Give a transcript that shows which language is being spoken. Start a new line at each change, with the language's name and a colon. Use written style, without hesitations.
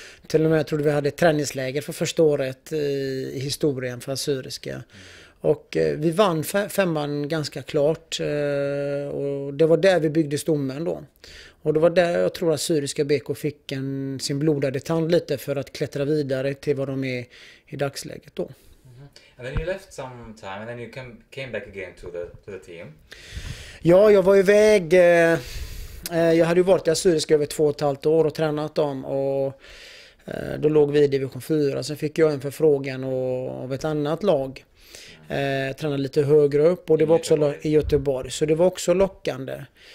Swedish: Till och med jag trodde vi hade ett träningsläger för första året i historien för Assyriska. Och vi vann femman ganska klart, och det var där vi byggde stommen då. Och det var där jag tror att Assyriska BK fick sin blodade tand lite för att klättra vidare till vad de är i dagsläget då.
English: And then you left some time and then you came back again to the team.
Swedish: Ja, jag var iväg. Jag hade ju varit i Assyriska över 2,5 år och tränat dem, och då låg vi i division 4. Sen fick jag en förfrågan av ett annat lag. Tränade lite högre upp, och det var också i Göteborg, så det var också lockande.